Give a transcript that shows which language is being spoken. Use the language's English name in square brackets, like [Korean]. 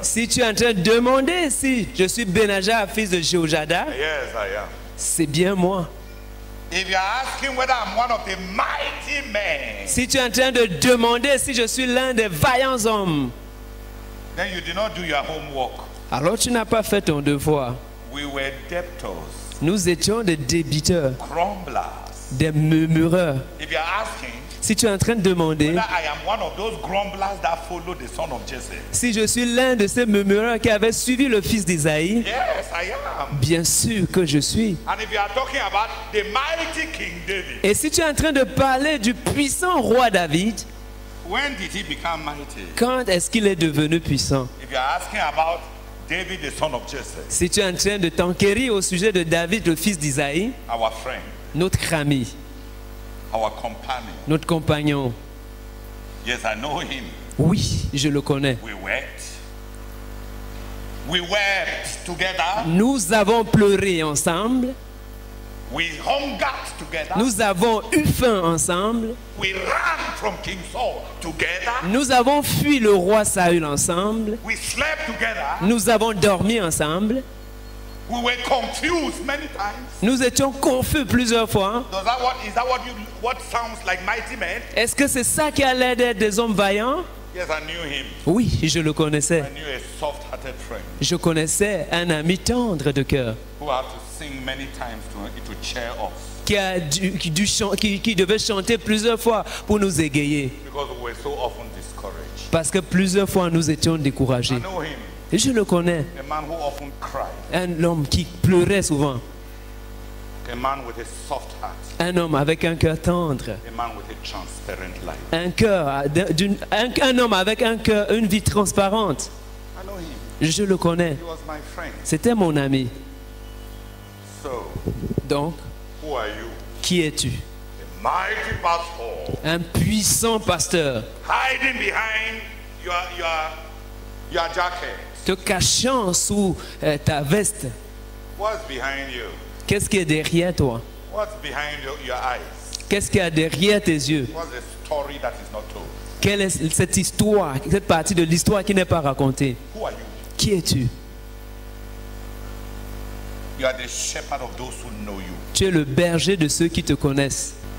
[French] Si tu es en train de demander si je suis Benaiah, fils de Jehoiada. [English] Yes, I am. [French] C'est bien moi. [English] If you ask him whether I'm one of the mighty men. [French] Si tu es en train de demander si je suis l'un des vaillants hommes. [English] Then you did not do your homework. [French] Alors tu n'as pas fait ton devoir. [English] We were debtors. [French] Nous étions des débiteurs. [English] Grumblers. [French] Des murmureurs. [English] If you're asking, [French] si tu es en train de demander, [English] whether I am one of those grumblers that followed the son of Jesse. [French] Si je suis l'un de ces murmureurs qui avait suivi le fils d'Isaïe. [English] Yes, I am. [French] Bien sûr que je suis. [English] And if you are talking about the mighty King David. [French] Et si tu es en train de parler du puissant roi David. [English] When did he become mighty? [French] Quand est-ce qu'il est devenu puissant? [English] If you're asking about David, the son of Jesse. [French] Si tu es en train de t'enquérir au sujet de David, le fils d'Isaïe. [English] Our friend. [French] Notre ami, [English] our companion. [French] Notre compagnon. [English] Yes, I know him. [French] Oui, je le connais. [English] We wept together. [French] Nous avons pleuré ensemble. [English] We hungered together. [French] Nous avons eu faim ensemble. [English] We ran from King Saul together. [French] Nous avons fui le roi Saül ensemble. [English] We slept together. [French] Nous avons dormi ensemble. [English] We were confused many times. [French] Nous étions confus plusieurs fois. [English] Is that what sounds like mighty men? [French] Est-ce que c'est ça qui a l'air d'être des hommes vaillants? [English] Yes, I knew him. [French] Oui, je le connaissais. [English] I knew a soft-hearted friend. [French] Je connaissais un ami tendre de cœur. [English] Who had to sing many times to cheer us. [French] Qui devait chanter plusieurs fois pour nous égayer. [English] Because we were so often discouraged. [French] Parce que plusieurs fois nous étions découragés. [English] I know him. [French] Et je le connais. [English] A man who often cried. [French] Un homme qui pleurait souvent. [English] A man with a soft heart. [French] Un homme avec un cœur tendre. [English] A man with a transparent life. [French] Un cœur un homme avec un cœur, une vie transparente. [English] I know him. [French] Je le connais. [English] He was my friend. [French] C'était mon ami. [English] So, [French] donc, [English] who are you? [French] Qui es-tu? [English] A mighty pastor. [French] Un puissant pasteur. [English] Hiding behind your jacket. [French] Te cachant sous ta veste. [English] What's behind you? [French] Qu'est-ce qui est derrière toi? [English] What's behind your eyes? [French] Qu'est-ce qu'il y a derrière tes yeux? [English] What's the story that is not told? [French] Quelle est cette histoire, cette partie de l'histoire qui n'est pas racontée? [English] Who are you? [French] Qui es-tu? [English] You are the shepherd of those who know you. [French] Tu es le berger de ceux qui te connaissent.